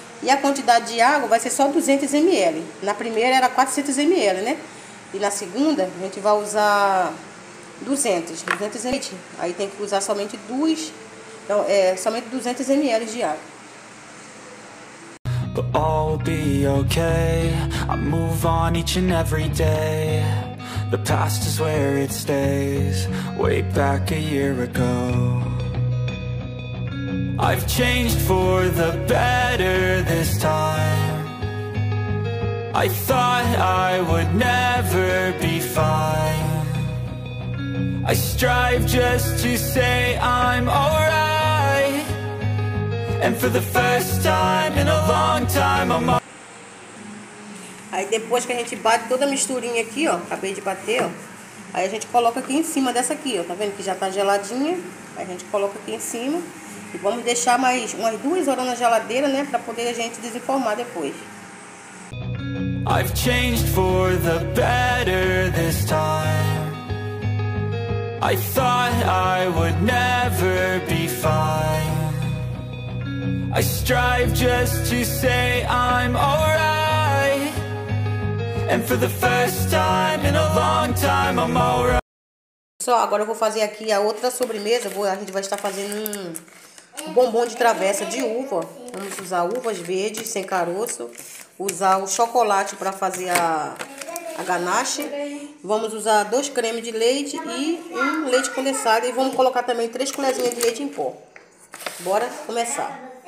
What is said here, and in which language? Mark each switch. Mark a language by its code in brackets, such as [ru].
[pt] E a quantidade de água vai ser só 200 ml, na primeira era 400 ml, né? E na segunda a gente vai usar 200 ml, aí tem que usar somente 2, então somente 200 ml de água. [en] But all will be okay. I move on each and every day. The past is where it stays, way back a year ago. I've changed for the better this time. I thought I would never be fine. I strive just to say I'm alright. And for the first time in a long time, I'm... [pt] Aí depois que a gente bate toda a misturinha aqui, ó, acabei de bater, ó, aí a gente coloca aqui em cima dessa aqui, ó, tá vendo que já tá geladinha, aí a gente coloca aqui em cima e vamos deixar mais umas 2 horas na geladeira, né, pra poder a gente desenformar depois. [en] I've changed for the better this time. I thought I would never be fine. I strive just to say I'm alright. And for the first time in a long time, I'm alright. [pt] Pessoal, agora eu vou fazer aqui a outra sobremesa. A gente vai estar fazendo um bombom de travessa de uva. Vamos usar uvas verdes, sem caroço. Usar o chocolate para fazer a ganache. Vamos usar 2 cremes de leite e 1 leite condensado. E vamos colocar também 3 colherzinhas de leite em pó. Bora começar.